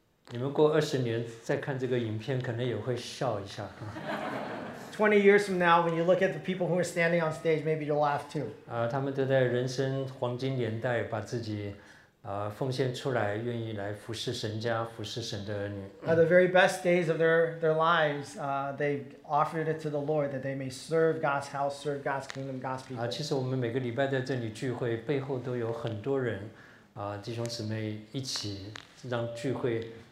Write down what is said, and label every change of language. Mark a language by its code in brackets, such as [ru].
[zh] 你们过二十年再看这个影片，可能也会笑一下。 [en] 20 years from now, when you look at the people who are standing on stage, maybe you'll laugh too. [zh] 他们都在人生黄金年代把自己奉献出来，愿意来服侍神家，服侍神的儿女。 [en] The very best days of their lives, they offered it to the Lord that they may serve God's house, serve God's kingdom, God's people. [zh] 其实我们每个礼拜在这里聚会，背后都有很多人弟兄姊妹一起让聚会。